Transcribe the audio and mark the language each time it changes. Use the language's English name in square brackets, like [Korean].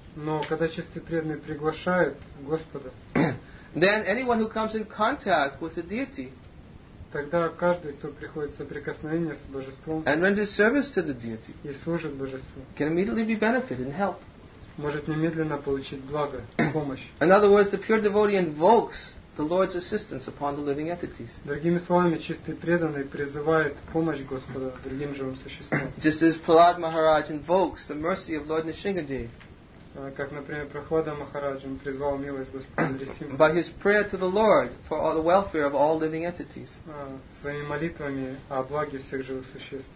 [Russian] Но когда чистый преданный приглашает Господа. [English] Then anyone who comes in contact with the deity. [Russian] Тогда каждый, кто приходит в соприкосновение с божеством, [English] and renders service to the deity, [Russian] и служит божеству, [English] can immediately be benefited and helped. [Russian] Может немедленно получить благо, помощь. [English] In other words, the pure devotee invokes the Lord's assistance upon the living entities. [Russian] Другими словами, чистый преданный призывает помощь Господа другим живым существам. [English] Just as Prahlad Maharaj invokes the mercy of Lord Nrisimhadeva. [Russian] Как, например, Прохлада Махарадж, он призвал милость Господа Нрисимха. [English] By his prayer to the Lord for all the welfare of all living entities. [Russian] Своими молитвами о благе всех живых существ.